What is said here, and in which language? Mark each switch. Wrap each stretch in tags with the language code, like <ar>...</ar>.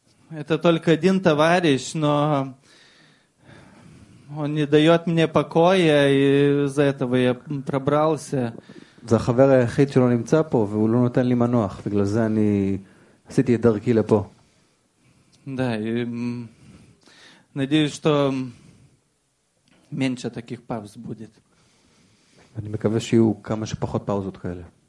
<ru>Это только один товарищ, но Он не дает мне покоя, и из-за этого я пробрался.</ru> <he>זה החבר היחיד שלא נמצא פה, והוא לא נותן לי מנוח. בגלל זה אני עשיתי את דרכי לפה.</he> <ru>Да, и надеюсь, что меньше таких пауз будет.</ru> <he>אני מקווה שיהיו כמה שפחות פאוזות כאלה.</he>